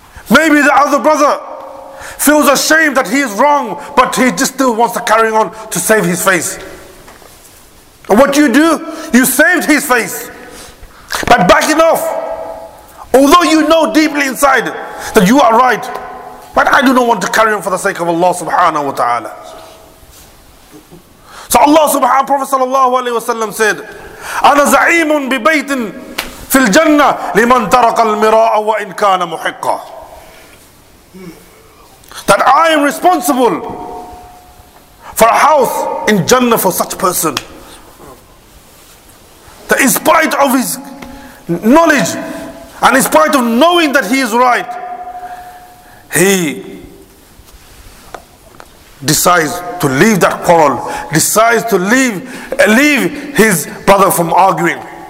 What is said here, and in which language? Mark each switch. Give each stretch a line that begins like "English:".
English: Maybe the other brother feels ashamed that he is wrong, but he just still wants to carry on to save his face. And what you do? You saved his face by backing off. Although you know deeply inside that you are right, but I do not want to carry on for the sake of Allah subhanahu wa ta'ala. So Allah subhanahu, Prophet sallallahu alayhi wa sallam said,
Arabic: أَنَا زَعِيمٌ بِبَيْتٍ فِي الْجَنَّةِ لِمَنْ تَرَقَ الْمِرَاءَ وَإِنْ كَانَ مُحِقَّةٌ.
English: That I am responsible for a house in Jannah for such person. That in spite of his knowledge and in spite of knowing that he is right, he decides to leave that quarrel, decides to leave his brother from arguing.